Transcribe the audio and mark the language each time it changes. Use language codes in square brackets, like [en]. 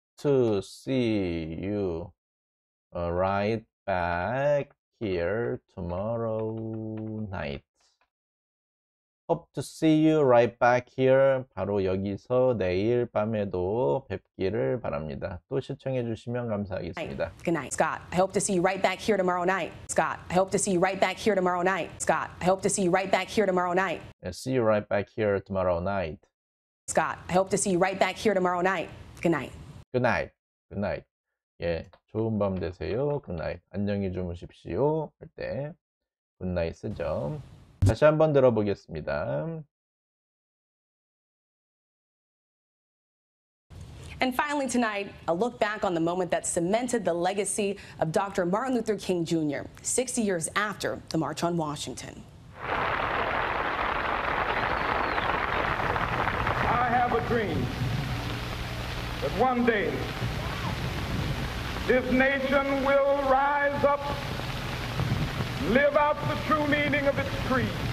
[en] Hope to see you right back here tomorrow night. Hope to see you right back here. [ko] 바로 여기서 내일 밤에도 뵙기를 바랍니다. 또 시청해 주시면 감사하겠습니다. [en] Good night, Scott. I hope to see you right back here tomorrow night. Scott, I hope to see you right back here tomorrow night. Scott, I hope to see you right back here tomorrow night. See you right back here tomorrow night. Scott, I hope to see you right back here tomorrow night. Good night. Good night. Good night. [ko] 예, 좋은 밤 되세요. [en] Good night. [ko] 안녕히 주무십시오. 할 때 [en] Good night [ko] 쓰죠. 다시 한번 들어보겠습니다. [en] And finally tonight, a look back on the moment that cemented the legacy of Dr. Martin Luther King Jr. 60 years after the March on Washington. I have a dream that one day this nation will rise up, live out the true meaning of its creed.